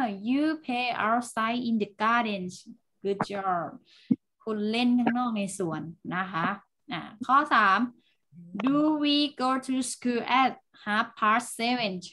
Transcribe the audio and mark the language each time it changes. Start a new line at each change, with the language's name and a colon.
English: You play outside in the garden. Good job.
Thai: คุณเล่นข้างนอกในสวนนะคะข้อ 3.
English: Do we go to school at half past seven?